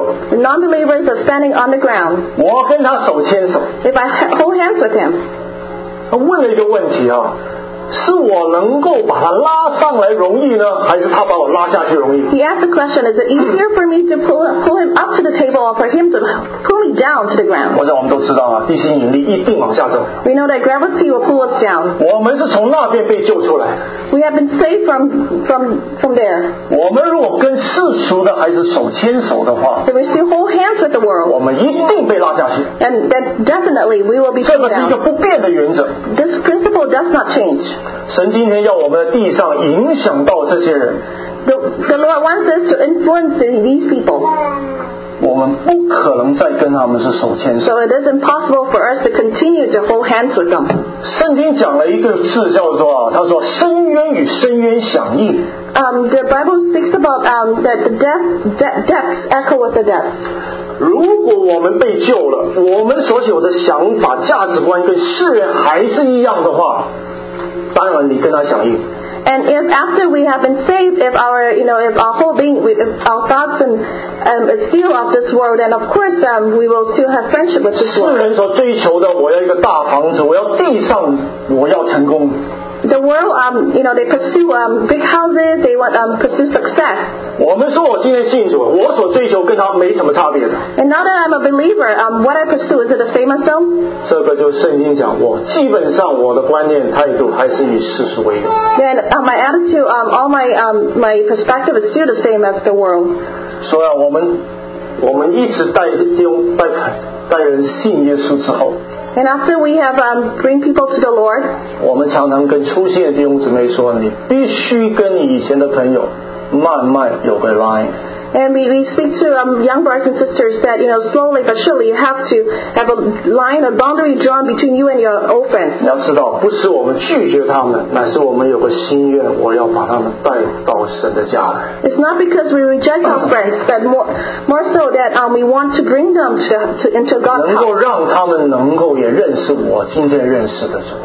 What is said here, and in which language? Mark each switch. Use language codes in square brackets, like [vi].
[en] The non-believers are standing on the ground. [zh] 我跟他手牵手, [en] if I hold hands with him, [zh] 他问了一个问题啊, 是我能够把他拉上来容易呢，还是他把我拉下去容易？ [en] He asked the question: Is it easier for me to pull him up to the table, or for him to pull me down to the ground? [zh] 我想我们都知道啊，地心引力一定往下走。 [en] We know that gravity will pull us down. [zh] 我们是从那边被救出来。 [en] We have been saved from there. [zh] 我们如果跟世俗的还是手牵手的话， [en] If we still hold hands with the world, [zh] 我们一定被拉下去。 [en] And then definitely we will be pulled down. [zh] 这个是一个不变的原则。 [en] This principle does not change. [zh] 神今天要我们的地上影响到这些人。 [en] The Lord wants us to influence these people. [zh] 我们不可能再跟他们是手牵手。 [en] So it is impossible for us to continue to hold hands with them. [zh] 圣经讲了一个字叫做，他说深渊与深渊响应。 [en] The Bible speaks about that the depths echo with the depths. [zh] 如果我们被救了，我们所有的想法、价值观跟世人还是一样的话，当然你跟他响应。 [en] And if after we have been saved, if our, you know, if our whole being, if our thoughts and is still of this world, then of course we will still have friendship with this world. [zh] 世人所追求的，我要一个大房子，我要地上，我要成功。 [en] The world, you know, they pursue big houses. They want pursue success. [zh] 我们说我今天信主，我所追求跟他没什么差别的。 [en] And now that I'm a believer, what I pursue is it the same as them? [zh] 这个就是圣经讲，我基本上我的观念态度还是以世俗为主。 [en] Then my attitude, all my my perspective is still the same as the world. [zh] 所以我们一直带人信耶稣之后。 [en] And after we have bring people to the Lord, [zh] 我们常常跟出现的弟兄姊妹说，你必须跟你以前的朋友慢慢有个 line. [en] And we speak to young brothers and sisters that you know slowly but surely you have to have a line, a boundary drawn between you and your old friends. [zh] 要知道，不是我们拒绝他们，乃是我们有个心愿，我要把他们带到神的家来。 [en] It's not because we reject our friends, but more so that we want to bring them to into God's house. [zh] 能够让他们能够也认识我今天认识的主。